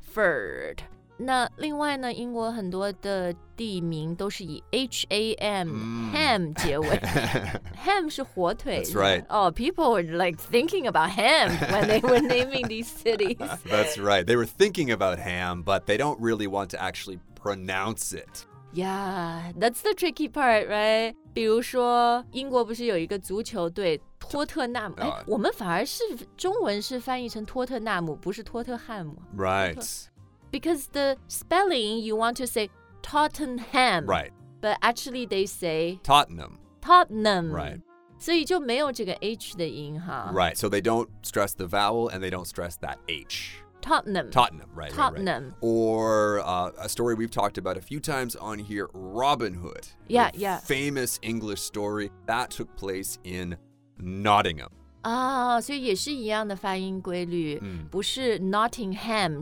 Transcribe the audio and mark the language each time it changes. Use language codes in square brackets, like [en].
[zh] Ford 那另外呢，英国很多的地名都是以 H-A-M、ham 结尾。Ham 是火腿。 [en] That's right. Oh, people were like thinking about ham when they were naming these cities. That's right. They were thinking about ham, but they don't really want to actually pronounce it. Yeah, that's the tricky part, right? [zh] 比如说英国不是有一个足球队托特纳姆、我们反而是中文是翻译成托特纳姆不是托特汉姆 [en] Right. Because the spelling, you want to say Tottenham. Right. But actually they say Tottenham. Tottenham. Right. [zh] 所以就没有这个 H 的音哈 [en] Right. So they don't stress the vowel and they don't stress that H. Tottenham. Tottenham. Right. Tottenham. Right, right. Or、a story we've talked about a few times on here, Robin Hood. Yeah, yeah. Famous English story that took place in Nottingham. [zh] 所以也是一样的发音规律、不是 Nottingham、